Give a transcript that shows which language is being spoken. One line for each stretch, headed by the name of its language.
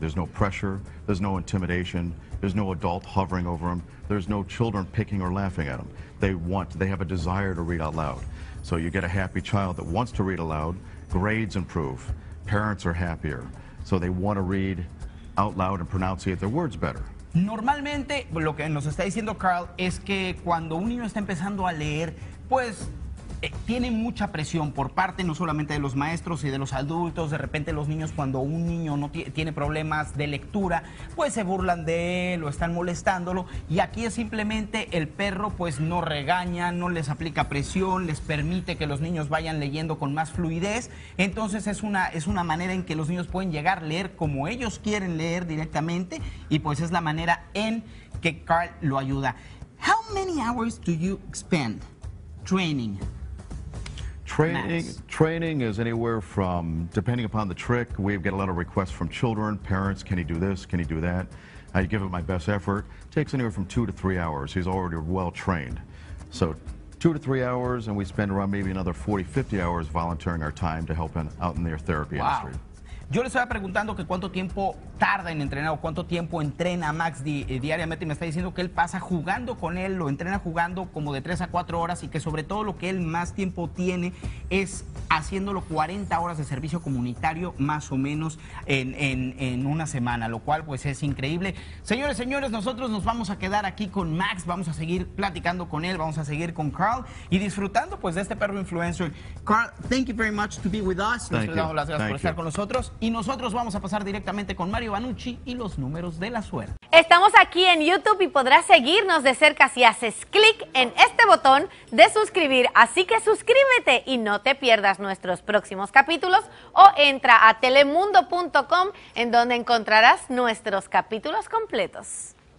English: There's no pressure, there's no intimidation, there's no adult hovering over them, there's no children picking or laughing at them. They have a desire to read out loud. So you get a happy child that wants to read aloud. Grades improve, parents are happier, so they want to read out loud and pronunciate their words better. Normalmente, lo que nos está diciendo Carl es que cuando un niño está empezando a leer, pues tiene mucha presión por parte no solamente de los maestros y de los adultos. De repente los niños, cuando un niño no tiene problemas de lectura, pues se burlan de él o están molestándolo. Y aquí es simplemente el perro, pues no regaña, no les aplica presión, les permite que los niños vayan leyendo con más fluidez. Entonces es una manera en que los niños pueden llegar a leer como ellos quieren leer directamente, y pues es la manera en que Carl lo ayuda. How many hours do you spend training? Training is anywhere from, depending upon the trick, we get a lot of requests from children, parents, can he do this, can he do that? I give it my best effort. It takes anywhere from 2 to 3 hours. He's already well trained. So 2 to 3 hours, and we spend around maybe another 40, 50 hours volunteering our time to help out in their therapy wow. industry.
Spanish: Yo le estaba preguntando que cuánto tiempo tarda en entrenar o cuánto tiempo entrena Max diariamente, y me está diciendo que él pasa jugando con él, lo entrena jugando como de 3 a 4 horas, y que sobre todo lo que él más tiempo tiene es haciéndolo 40 horas de servicio comunitario más o menos en una semana, lo cual pues es increíble. Señores, señores, nosotros nos vamos a quedar aquí con Max, vamos a seguir platicando con él, vamos a seguir con Carl y disfrutando pues de este perro influencer.
English: Carl, thank you very much to be with us. Thank you.
Spanish: Las gracias
English: thank
Spanish: por estar
English: you.
Spanish: Con nosotros. Y nosotros vamos a pasar directamente con Mario Vannucci y los números de la suerte. Estamos aquí en YouTube y podrás seguirnos de cerca si haces clic en este botón de suscribir. Así que suscríbete y no te pierdas nuestros próximos capítulos, o entra a telemundo.com, en donde encontrarás nuestros capítulos completos.